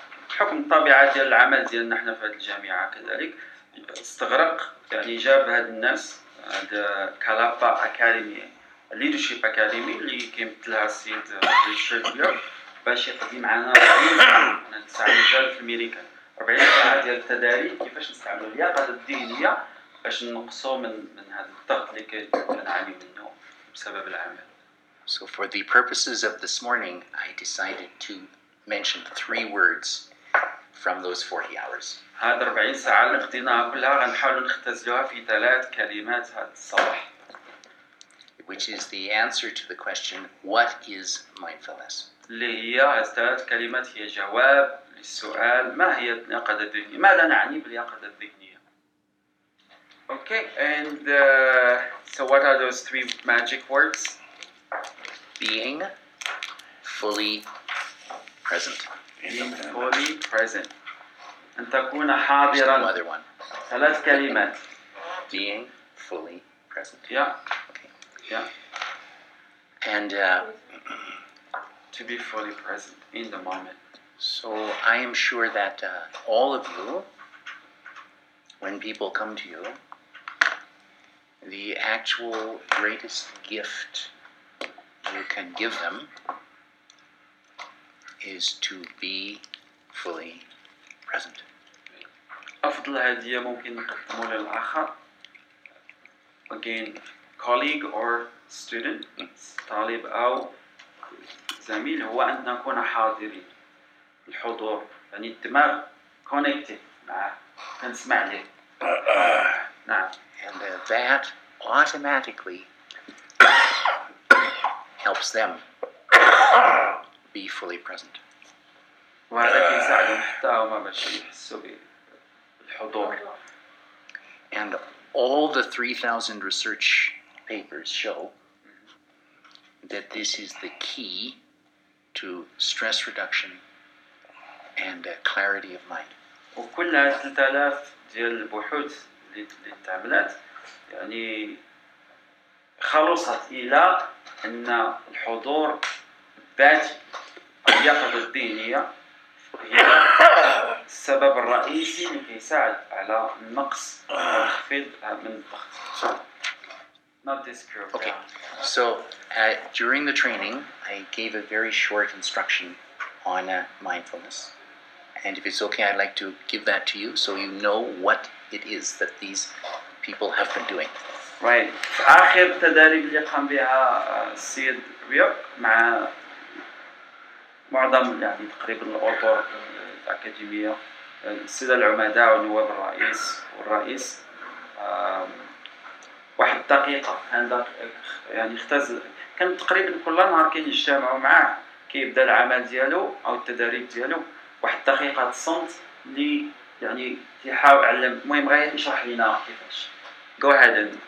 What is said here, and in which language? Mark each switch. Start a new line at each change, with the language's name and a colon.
Arabic: وحكم الطبيعة ديال العمل ديالنا احنا في هذه الجامعة كذلك استغرق يعني جاب هاد الناس هاد كالابا أكاديمي ليدرشيب أكاديمي اللي كيمثلها السيد ريتشارد بيرك باش يخدم معنا 40 ساعة مجال في أمريكا 40 ساعة ديال التداري كيفاش نستعملوا اللياقة الذهنية باش نقصوا من هذا الضغط اللي كنعاني منه بسبب العمل.
English: So for the purposes of this morning, I decided to mention three words from those 40 hours.
Arabic: هاد 40 ساعة اللي خديناها كلها غنحاولوا نختزلوها في ثلاث كلمات هاد الصباح.
English: Which is the answer to the question, what is mindfulness?
Arabic: اللي هي ثلاث كلمات هي جواب للسؤال ما هي اللياقة الذهنية؟ ماذا نعني باللياقة الذهنية؟
English: Okay, and so what are those three magic words? Being fully present. Being fully present.
Arabic: أن تكون حاضرا.
English: There's no other one.
Arabic: ثلاث كلمات.
English: Being fully present. Yeah. Yeah. And to be fully present in the moment. So I am sure that all of you, when people come to you, the actual greatest gift you can give them is to be fully present.
Arabic: أفضل هدية ممكن نقدمها للآخر.
English: Again, colleague or student,
Arabic: طالب أو زميل هو أن نكون حاضرين الحضور يعني الدماغ connected مع نسمع له نعم
English: and that automatically helps them be fully present
Arabic: وهذا يساعدهم حتى هما باش يحسوا بالحضور
English: and all the 3000 research papers show that this is the key to stress reduction and clarity of mind.
Arabic: وكل 3000 ديال البحوث اللي تعملت يعني خلصت الى ان الحضور الذاتي اللياقة الذهنية هي السبب الرئيسي اللي كيساعد على النقص والتخفيض من الضغط.
English: Not this group. Okay. So during the training, I gave a very short instruction on mindfulness. And if it's okay, I'd like to give that to you so you know what it is that these people have been doing. Right.
Arabic: آخر تدريب اللي قام بها السيد ريوك مع معظم يعني تقريبا الأطر الأكاديمية السيد العمداء والنواب الرئيس والرئيس واحد الدقيقة عندك يعني اختزل كان تقريبا كل نهار كيجتمعوا معاه كيبدا العمل ديالو او التدريب ديالو واحد الدقيقة الصمت اللي يعني كيحاول يعلم المهم غير يشرح لينا كيفاش
English: go ahead and